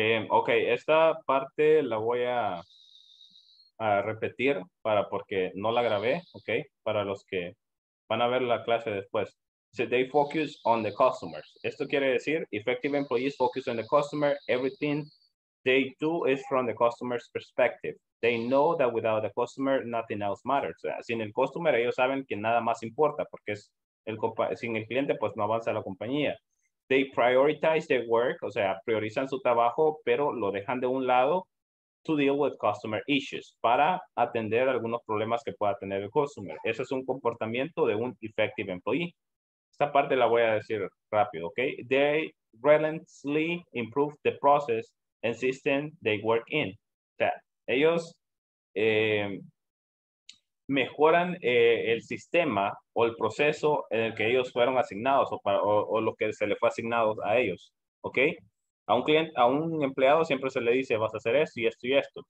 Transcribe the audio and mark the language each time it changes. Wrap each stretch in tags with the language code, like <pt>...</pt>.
<es>Ok, esta parte la voy a repetir para porque no la grabé, ok, para los que van a ver la clase después.</es> <en>So they focus on the customers.</en> <es>Esto quiere decir,</es> <en>effective employees focus on the customer. Everything they do is from the customer's perspective. They know that without the customer, nothing else matters.</en> <es>O sea, sin el customer, ellos saben que nada más importa porque es sin el cliente, pues no avanza la compañía.</es> <en>They prioritize their work,</en> <es>o sea, priorizan su trabajo, pero lo dejan de un lado</es> <en>to deal with customer issues,</en> <es>para atender algunos problemas que pueda tener el customer. Ese es un comportamiento de un effective employee. Esta parte la voy a decir rápido, ¿ok?</es> <en>They relentlessly improve the process and system they work in.</en> <es>O sea, ellos mejoran el sistema o el proceso en el que ellos fueron asignados o lo que se le fue asignado a ellos, ¿ok? A un cliente, a un empleado siempre se le dice, vas a hacer esto y esto y esto.</es>